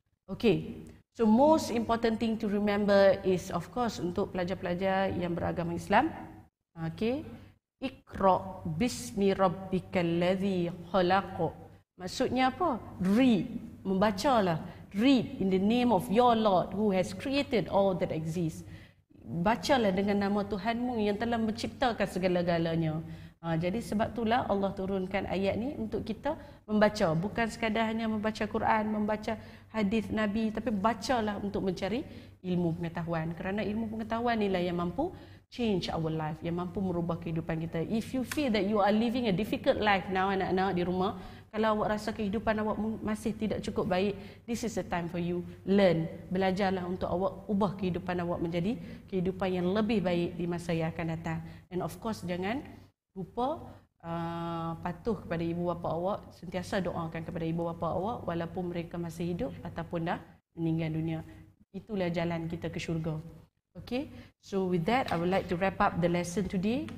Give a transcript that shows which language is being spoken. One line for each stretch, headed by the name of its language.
English: Okay, so most important thing to remember is of course
Malay: untuk pelajar-pelajar yang beragama Islam.
Arabic: Okay, Iqra bismi rabbikal ladzi khalaq.
Malay: Maksudnya apa?
English: Read,
Malay: membacalah.
English: Read in the name of your Lord who has created all that exists.
Malay: Bacalah dengan nama Tuhanmu yang telah menciptakan segala-galanya. Jadi sebab itulah Allah turunkan ayat ni untuk kita membaca. Bukan sekadar hanya membaca Quran, membaca hadis Nabi, tapi bacalah untuk mencari ilmu pengetahuan. Kerana ilmu pengetahuan inilah yang mampu
English: change our life,
Malay: yang mampu merubah kehidupan kita.
English: If you feel that you are living a difficult life now,
Malay: anak-anak di rumah, kalau awak rasa kehidupan awak masih tidak cukup baik,
English: this is the time for you.
Malay: Learn, belajarlah untuk awak ubah kehidupan awak menjadi kehidupan yang lebih baik di masa yang akan datang.
English: And of course
Malay: jangan lupa patuh kepada ibu bapa awak, sentiasa doakan kepada ibu bapa awak walaupun mereka masih hidup ataupun dah meninggal dunia. Itulah jalan kita ke syurga.
English: Okay, so with that I would like to wrap up the lesson today.